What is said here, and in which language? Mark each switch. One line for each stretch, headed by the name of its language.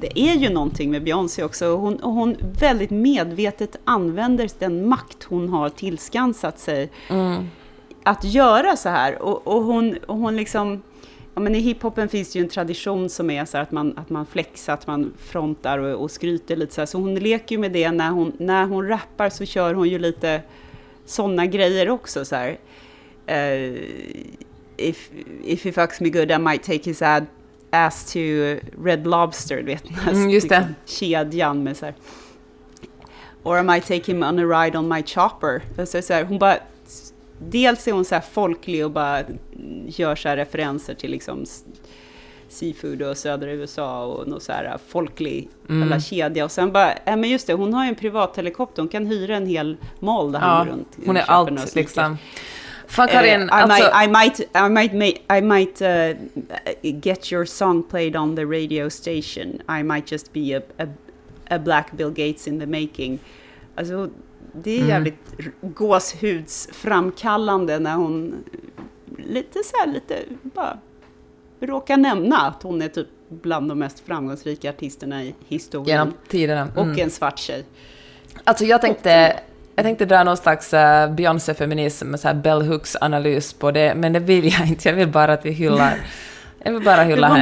Swedish: Det är ju någonting med Beyoncé också, och hon väldigt medvetet använder den makt hon har tillskansat sig att göra så här, och hon liksom, ja, men i hiphopen finns det ju en tradition som är så här att man flexar, att man frontar och skryter lite så här. Så hon leker ju med det när hon rappar, så kör hon ju lite såna grejer också, så här.
English: If he fucks me good, I might take his ass to Red Lobster,
Swedish: vet ni? Just det. Kedjan med så här.
English: Or I might take him on a ride on my chopper.
Swedish: Så här, hon bara, dels är hon så här folklig och bara gör så här referenser till liksom seafood och södra USA och något så här folklig alla kedja, och sen bara men just det, hon har ju en privat helikopter, hon kan hyra en hel mall där runt. Hon är allt liksom. Fan, Karin,
English: I might get your song played on the radio station. I might just be a A Black Bill Gates in the Making.
Swedish: Alltså, det är jävligt gåshudsframkallande när hon lite så här, lite bara råkar nämna att hon är typ bland de mest framgångsrika artisterna i historien. Genom tiderna. Och en svart tjej. Alltså jag tänkte dra någon slags Beyoncé-feminism, så här bell hooks-analys på det, men det vill jag inte. Jag vill bara att vi hyllar. Jag vill bara hylla henne.